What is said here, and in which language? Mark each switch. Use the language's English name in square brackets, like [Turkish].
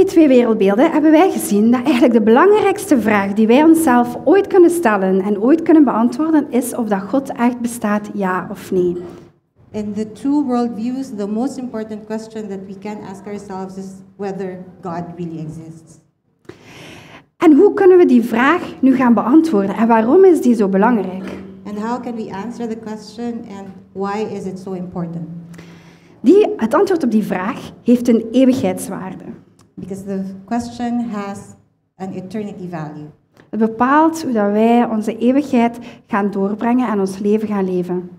[Dutch] In die twee wereldbeelden hebben wij gezien dat eigenlijk de belangrijkste vraag die wij onszelf ooit kunnen stellen en ooit kunnen beantwoorden is of dat God echt bestaat, ja of nee. [English] In the two worldviews, the most important question that we can ask ourselves is whether God really exists. [Dutch] En hoe kunnen we die vraag nu gaan beantwoorden? En waarom is die zo belangrijk? [English] And how can we answer the question and why is it so important? [Dutch] Het antwoord op die vraag heeft een eeuwigheidswaarde. [English] Because the question has an eternity value. [Dutch] Het bepaalt hoe dat wij onze eeuwigheid gaan doorbrengen en ons leven gaan leven.